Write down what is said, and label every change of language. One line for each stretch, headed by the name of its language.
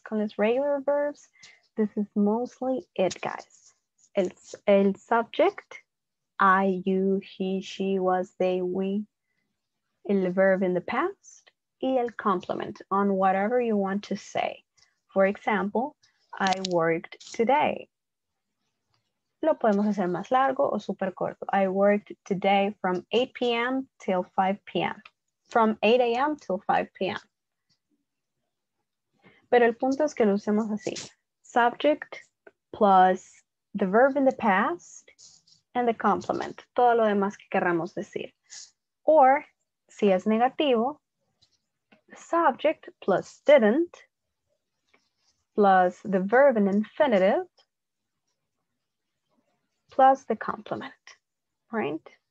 Spanish: Con los
English: regular verbs, this is mostly it, guys.
Spanish: El
English: subject, I, you, he, she, was, they, we.
Spanish: El
English: verb in the past
Spanish: y el
English: complement on whatever you want to say. For example, I worked today.
Spanish: Lo podemos hacer más largo o super corto.
English: I worked today from 8 p.m. till 5 p.m. From 8 a.m. till 5 p.m.
Spanish: Pero el punto es que lo usemos así.
English: Subject plus the verb in the past and the complement.
Spanish: Todo lo demás que queramos decir.
English: Or,
Spanish: si es negativo,
English: subject plus didn't plus the verb in infinitive plus the complement, right?